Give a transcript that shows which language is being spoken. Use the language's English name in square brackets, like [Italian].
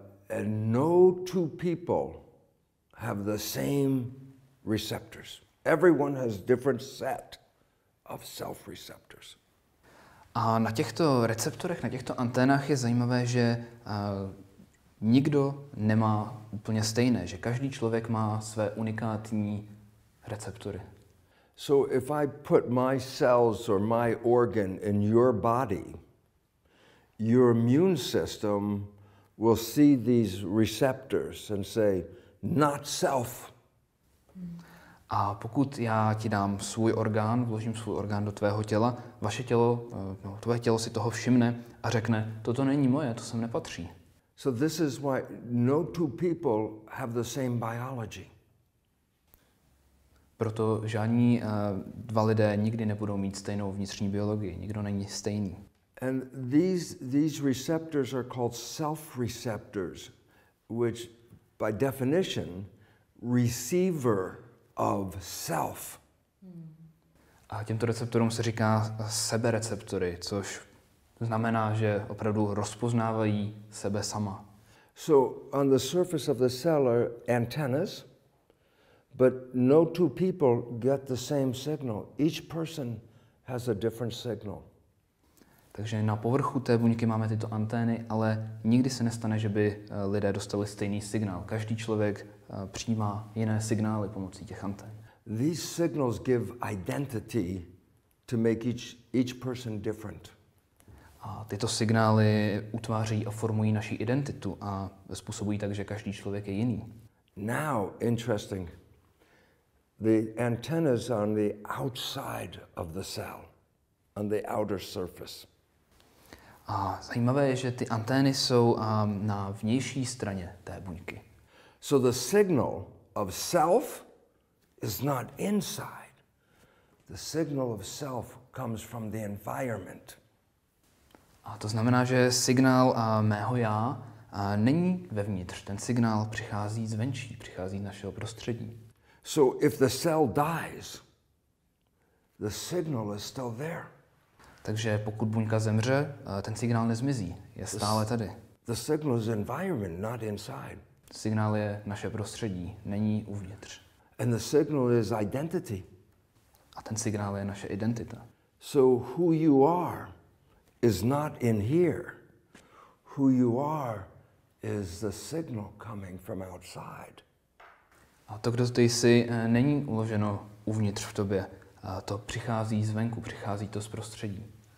[English] And no two people have the same receptors. Everyone has different set of self-receptors. [Czech] A na těchto receptorech, na těchto anténách je zajímavé, že nikdo nemá úplně stejné, že každý člověk má své unikátní receptory. [English] So if I put my cells or my organ in your body, your immune system will see these receptors and say, not self. [Czech] A pokud já ti dám svůj orgán, vložím svůj orgán do tvého těla, vaše tělo, no, tvoje tělo si toho všimne a řekne, toto není moje, to sem nepatří. [English] So this is why no two people have the same biology. [Czech] Proto žádní dva lidé nikdy nebudou mít stejnou vnitřní biologii, nikdo není stejný. [English] And these receptors are called self-receptors, which by definition, receiver of self. [Czech] A těmto receptorům se říká sebereceptory, což znamená, že opravdu rozpoznávají sebe sama. [English] So on the surface of the cell are antennas, but no two people get the same signal. Each person has a different signal. [Czech] Takže na povrchu té buňky máme tyto antény, ale nikdy se nestane, že by lidé dostali stejný signál. Každý člověk přijímá jiné signály pomocí těch antén. [English] These signals give identity to make each person different. [Czech] A tyto signály utváří a formují naši identitu a způsobují tak, že každý člověk je jiný. [English] Now, interesting. The antennas on the outside of the cell, on the outer surface. [Czech] A zajímavé je, že ty antény jsou na vnější straně té buňky. [English] So the signal of self is not inside. The signal of self comes from the environment. [Czech] A to znamená, že signál mého já není vevnitř. Ten signál přichází zvenčí, přichází z našeho prostředí. [English] So if the cell dies, the signal is still there. [Czech] Takže pokud buňka zemře, ten signál nezmizí, je stále tady. [English] The signal is environment, not inside. [Czech] Signál je naše prostředí, není uvnitř. [English] And the signal is identity. [Czech] A ten signál je naše identita. [English] So who you are is not in here. Who you are is the signal coming from outside. [Czech] A to, kdo ty jsi, není uloženo uvnitř v tobě. To přichází zvenku, přichází to z prostředí.